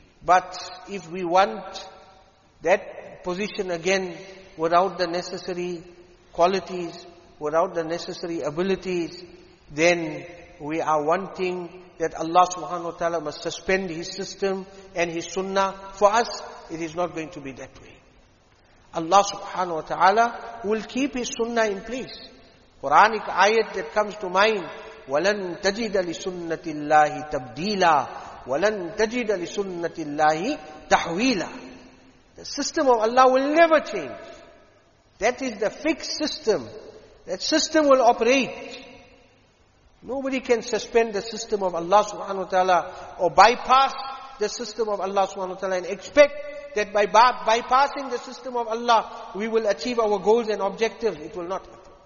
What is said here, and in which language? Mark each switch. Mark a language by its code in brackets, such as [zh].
[en] But if we want that position again without the necessary qualities, without the necessary abilities, then we are wanting that Allah subhanahu wa ta'ala must suspend His system and His sunnah. For us, it is not going to be that way. Allah subhanahu wa ta'ala will keep His sunnah in place. Quranic ayat that comes to mind, [ar] وَلَن تَجِدَ لِسُنَّةِ اللَّهِ تَبْدِيلًا وَلَن تَجِدَ لِسُنَّةِ اللَّهِ تَحْوِيلًا. [en] The system of Allah will never change. That is the fixed system. That system will operate. Nobody can suspend the system of Allah subhanahu wa ta'ala or bypass the system of Allah subhanahu wa ta'ala and expect that by bypassing the system of Allah, we will achieve our goals and objectives. It will not happen.